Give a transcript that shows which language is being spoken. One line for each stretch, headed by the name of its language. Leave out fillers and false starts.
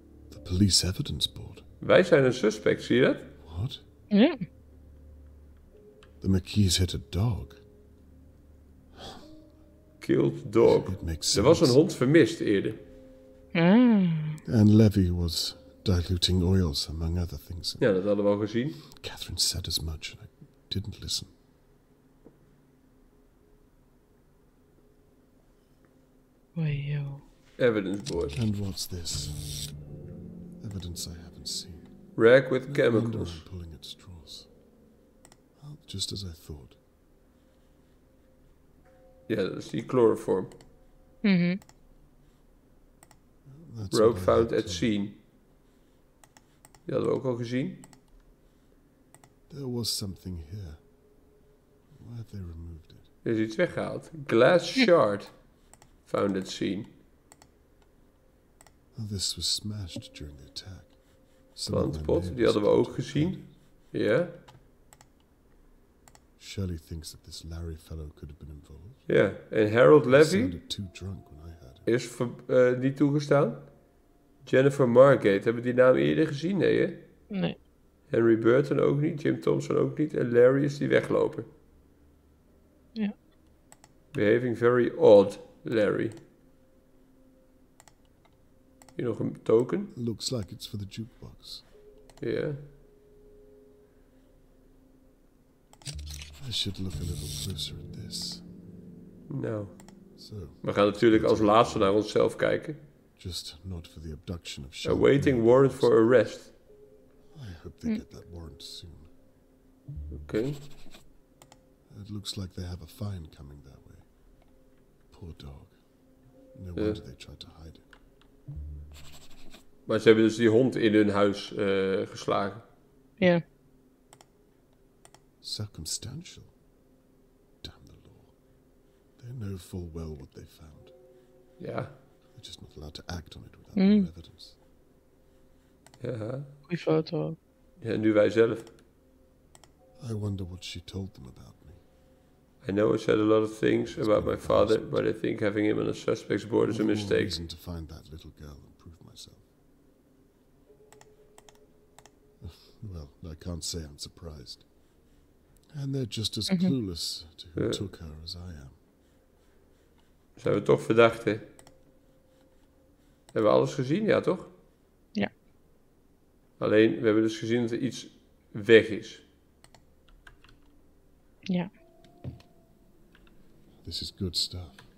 English: The police evidence board.
Dutch: Wij zijn een suspect, zie je dat? Wat? Ja.
English: The McKees hit a dog. Killed dog.
Dutch: Er was een hond vermist eerder.
English: And Levy was diluting oils, among other things.
Dutch: Ja, dat hadden we al gezien.
English: Catherine said as much and I didn't listen. Evidence board. And what's this? Evidence I haven't seen. Rack with chemicals. I'm pulling at straws. Well, just as I thought.
Dutch: Ja, dat is die chloroform. Mm-hmm.
English: Rope found at scene.
Dutch: Die hadden we ook al gezien.
English: There was something here. Why have they removed it?
Dutch: Er is iets weggehaald.
English: Glass shard found at scene. Well, this was smashed during the attack.
Dutch: Plantpot, die hadden we ook gezien. Ja. Yeah.
English: Shelley thinks that this Larry fellow could have been involved.
Dutch: Ja, yeah. En Harold Levy is niet toegestaan. Jennifer Margate, hebben we die naam eerder gezien? Nee, hè? Nee. Henry Burton ook niet, Jim Thompson ook niet. En Larry is die weglopen. Ja. Yeah.
English: Behaving very odd, Larry.
Dutch: Hier nog een token.
English: Looks like it's for the jukebox.
Dutch: Ja. Yeah.
English: I should look a little closer at this. No. So,
Dutch: we gaan natuurlijk als laatste naar onszelf kijken.
English: Just not for the abduction of Shelby. A waiting warrant for arrest. I hope they get that warrant soon. Okay. It looks like they have a fine coming that way. Poor dog. No wonder they tried to hide it.
Dutch: Maar ze hebben dus die hond in hun huis geslagen. Ja. Yeah.
English: Circumstantial. Damn the law. They know full well what they found. Yeah. They're just not allowed to act on it without new evidence. Yeah. We thought of.
Dutch: Yeah, nu wij zelf.
English: I wonder what she told them about me. I know I said a lot of things it's about my father, but I think having him on a suspects board is a mistake. Reason to find that little girl and prove myself. Well, I can't say I'm surprised. And they're just as clueless to who took her as I am.
Dutch: Zijn we toch verdacht, hè? Hebben we alles gezien, ja toch? Ja. Alleen, we hebben dus gezien dat er iets weg is. Ja.
English: This is good stuff.